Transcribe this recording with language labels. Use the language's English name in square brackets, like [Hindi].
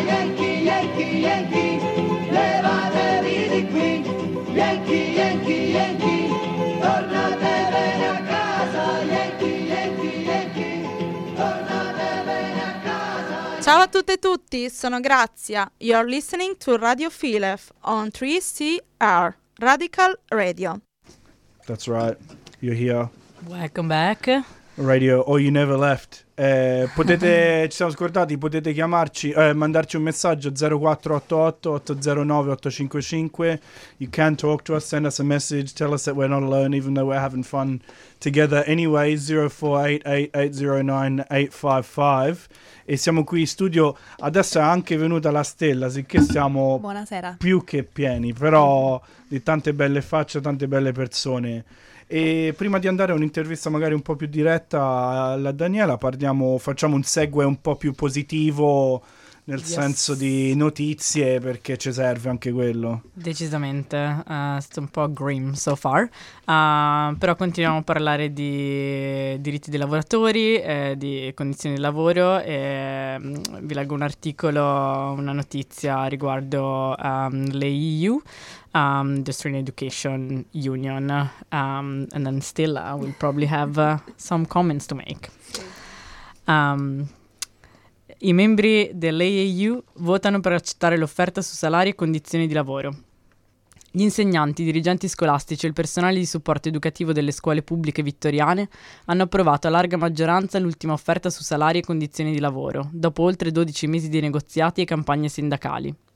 [Italian] Yankee, Yankee, Yankee, ciao a tutte e tutti, sono Grazia. [English] You're listening to Radio Filef on 3CR, Radical Radio. That's right, you're here. Welcome back. Radio Oh You Never Left. [Italian] Potete, ci siamo scordati, potete chiamarci, mandarci un messaggio 0488 809 855. [English] You can talk to us, send us a message, tell us that we're not alone even though we're having fun together anyway. 0488 809 855. [Italian] E siamo qui in studio, adesso è anche venuta la Stella, sicché siamo Buonasera. Più che pieni, però di tante belle facce, tante belle persone. E prima di andare a un'intervista magari un po' più diretta alla Daniela, parliamo, facciamo un segue un po' più positivo, nel yes. senso di notizie, perché ci serve anche quello. Decisamente, sto un po' [English] grim so far, [Italian] però continuiamo a parlare di diritti dei lavoratori, di condizioni di lavoro, e vi leggo un articolo, una notizia riguardo le EU. [English] The Australian Education Union, and then Stella will probably have some comments to make. [Italian] I membri dell'AAU votano per accettare l'offerta su salari e condizioni di lavoro. Gli insegnanti, i dirigenti scolastici e il personale di supporto educativo delle scuole pubbliche vittoriane hanno approvato a larga maggioranza l'ultima offerta su salari e condizioni di lavoro, dopo oltre 12 mesi di negoziati e campagne sindacali.